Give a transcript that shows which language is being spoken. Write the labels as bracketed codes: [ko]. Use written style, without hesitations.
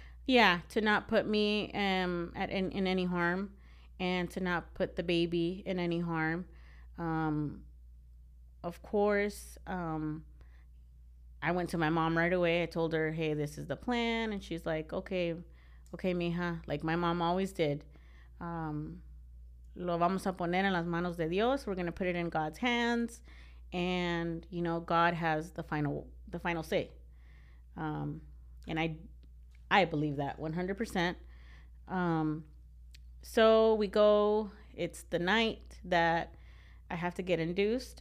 [en] Yeah, to not put me in any harm and to not put the baby in any harm. Of course, I went to my mom right away. I told her, hey, this is the plan. And she's like, okay, mija. Like my mom always did. [es] Lo vamos a poner en las manos de Dios. [en] We're going to put it in God's hands. And, you know, God has the final say. And I believe that 100%. So we go. It's the night that I have to get induced.